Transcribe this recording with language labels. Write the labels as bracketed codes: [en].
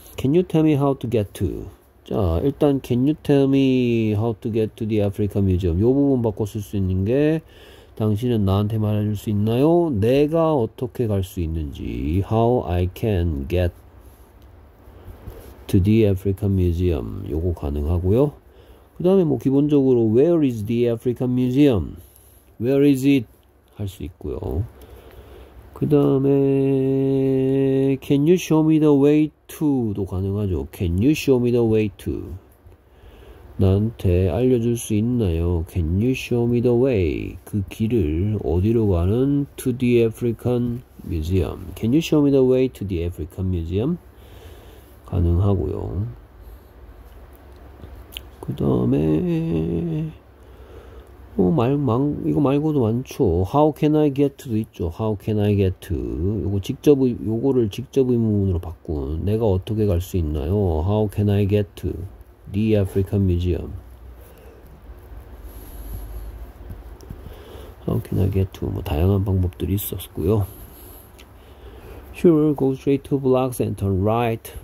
[en] Can you tell me how to get to? [ko] 자, 일단 [en] can you tell me how to get to the Africa Museum? [ko] 요 부분 바꿔 쓸수 있는 게 당신은 나한테 말해줄 수 있나요? 내가 어떻게 갈수 있는지. [en] How I can get to the African Museum. [ko] 요거 가능하고요. 그 다음에 뭐 기본적으로 [en] Where is the African Museum? Where is it? [ko] 할수 있고요. 그 다음에 [en] Can you show me the way to?도 [ko] 가능하죠. [en] Can you show me the way to? [ko] 나한테 알려줄 수 있나요? [en] Can you show me the way? [ko] 그 길을 어디로 가는? [en] To the African Museum. Can you show me the way to the African Museum? [ko] 가능하고요. 그 다음에 이거 말고도 많죠. [en] How can I get to도 [ko] 있죠. [en] How can I get to? [ko] 요거를 직접 의문문으로 바꾼. 내가 어떻게 갈수 있나요? [en] How can I get to the African Museum? How can I get to? [ko] 뭐 다양한 방법들이 있었고요. [en] Sure, go straight two blocks and turn right.